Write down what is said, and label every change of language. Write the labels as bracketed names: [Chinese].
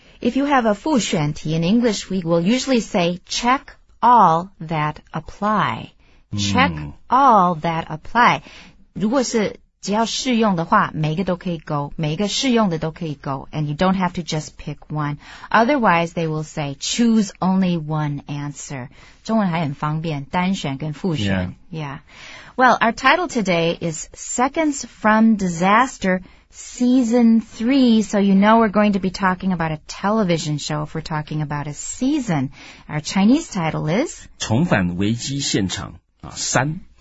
[English] If you have a [Chinese] 复选题 [English] in English we will usually say check all that apply. Check all that apply. [Chinese] 如果是只要适用的话每个都可以勾每个适用的都可以勾 [English] and you don't have to just pick one. Otherwise, they will say, choose only one answer. [Chinese] 中文还很方便单选跟复选 [English] Yeah. Well, our title today is Seconds from Disaster Season 3. So you know we're going to be talking about a television show if we're talking about a season. Our Chinese title is [Chinese] 重返危机现场三